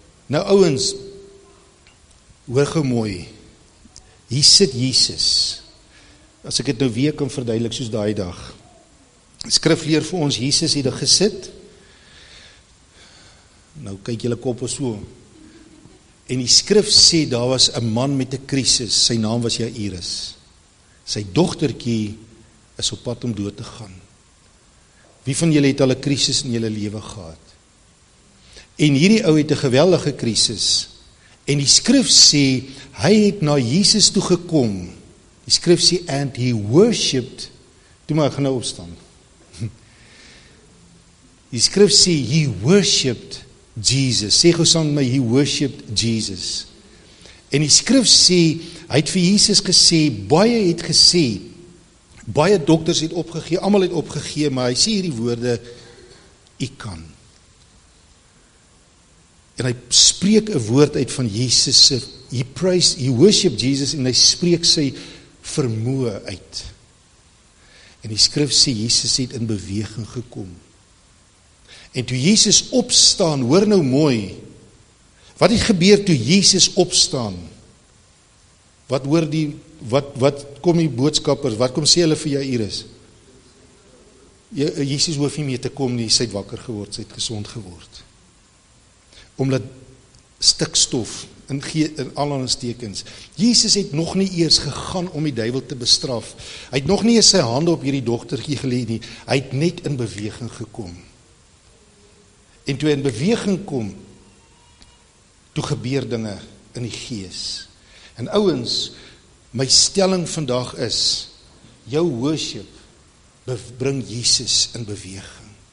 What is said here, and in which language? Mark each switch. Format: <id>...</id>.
<af>Nou ouwens, hoor gou mooi, hier sit Jesus, as ek het nou weer kan verduidelik, soos daai dag, skrif leer vir ons, Jesus het gesit, nou kyk julle kop of so, en die skrif sê, daar was 'n man met 'n krisis, sy naam was Jairus, sy dogtertjie is op pad om dood te gaan. Wie van julle het al 'n krisis in julle lewe gehad? En hierdie ou het 'n geweldige krisis. En die skrif sê, hy het na Jesus toe gekom. Die skrif sê,</af> <en>and he worshipped.</en> <af>Toe maar, ek gaan nou opstaan. Die skrif sê,</af> <en>he worshipped Jesus.</en> <af>Sê gou saam met my, he worshipped Jesus. En die skrif sê, hy het vir Jesus gesê, baie het gesê, baie dokters het opgegee, allemaal het opgegee, maar hy sê hierdie woorde, ek kan. En hy spreek 'n woord uit van Jesus,</af> <en>he worship Jesus,</en> <af>en hy spreek sy vermoë uit. En die skrif sê, Jesus het in beweging gekom. En toe Jesus opstaan, hoor nou mooi, wat het gebeur toe Jesus opstaan? Wat hoor die, wat kom die boodskappers, wat kom sê hulle vir Jairus? Jesus hoef nie mee te kom nie, sy het wakker geword, sy het gesond geword. Omdat stikstof in al ons tekens. Jesus het nog nie eers gegaan om die duivel te bestraf. Hy het nog nie eens sy hande op hierdie dogtertjie gelê nie. Hy het net in beweging gekom. En toe hy in beweging kom, toe gebeur dinge in die gees. En ouens, my stelling vandag is, jou worship bring Jesus in beweging.</af>